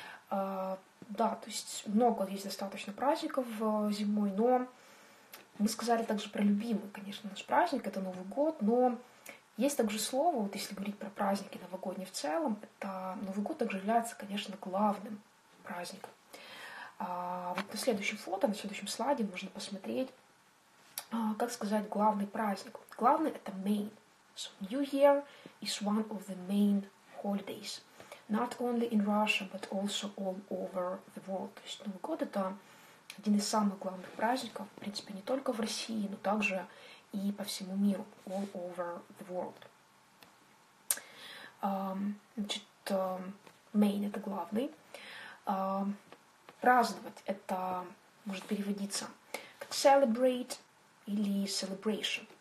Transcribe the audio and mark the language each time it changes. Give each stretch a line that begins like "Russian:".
Russian: Да, то есть много есть достаточно праздников зимой, но мы сказали также про любимый, конечно, наш праздник, это Новый год, но есть также слово, вот если говорить про праздники новогодние в целом, это Новый год также является, конечно, главным праздником. Вот на следующем фото, на следующем слайде можно посмотреть, как сказать, главный праздник. Главный — это main.
English: So New Year is one of the main holidays. Not only in Russia, but also all over the world.
Russian: То есть Новый год — это один из самых главных праздников, в принципе, не только в России, но также и по всему миру,
English: all over the world.
Russian: Значит, main — это главный. Праздновать — это может переводиться как celebrate или celebration.